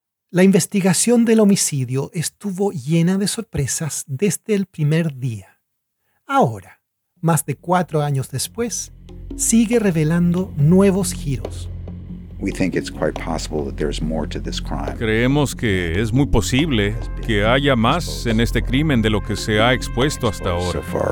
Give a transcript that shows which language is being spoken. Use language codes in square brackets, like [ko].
[es] La investigación del homicidio estuvo llena de sorpresas desde el primer día. Ahora, más de 4 años después, sigue revelando nuevos giros. [en] We think it's quite possible that there's more to this crime. [es] Creemos que es muy posible que haya más en este crimen de lo que se ha expuesto hasta ahora.